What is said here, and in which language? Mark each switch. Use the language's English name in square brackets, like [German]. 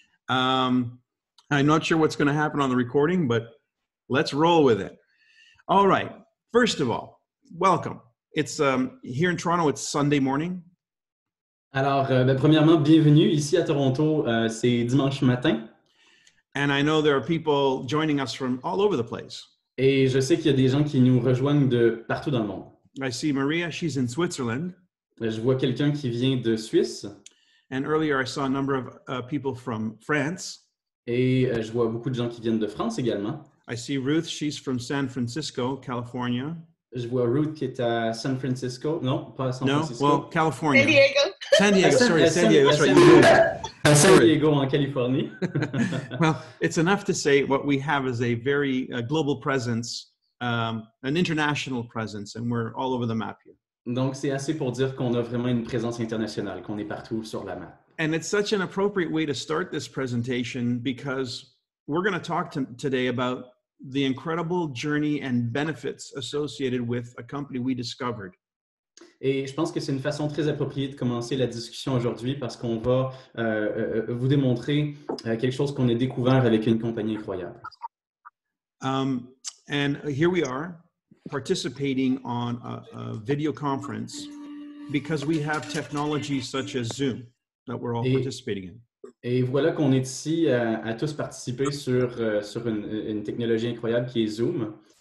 [English] I'm not sure what's going to happen on the recording, but let's roll with it. All right. First of all, welcome. It's here in Toronto, it's Sunday morning. [French] Alors, premièrement, bienvenue ici à Toronto. C'est dimanche matin. [English] And I know there are people joining us from all over the place. [French] Et je sais qu'il y a des gens qui nous rejoignent de partout dans le monde. [English] I see Maria, she's in Switzerland. [French] Je vois quelqu'un qui vient de Suisse. [English] And earlier I saw a number of people from France. [French] Et je vois beaucoup de gens qui viennent de France également. [English] I see Ruth, she's from San Francisco, California. [French] Je vois Ruth qui est à San Francisco. Non, pas à San [English] no? [French] Francisco. [English] Well, California. San Diego. San Diego, sorry, San Diego. That's right. [French] San Diego en Californie. [English] Well, it's enough to say what we have is a very global presence, an international presence, and we're all over the map here. [French] Donc, c'est assez pour dire qu'on a vraiment une présence internationale, qu'on est partout sur la map. [English] And it's such an appropriate way to start this presentation because we're going to talk today about the incredible journey and benefits associated with a company we discovered. [French] Et je pense que c'est une façon très appropriée de commencer la discussion aujourd'hui parce qu'on va vous démontrer quelque chose qu'on a découvert avec une compagnie incroyable. [English] And here we are participating on a video conference because we have technology such as Zoom that we're all participating in. [French] Et voilà qu'on est ici à tous participer sur une technologie incroyable qui est Zoom.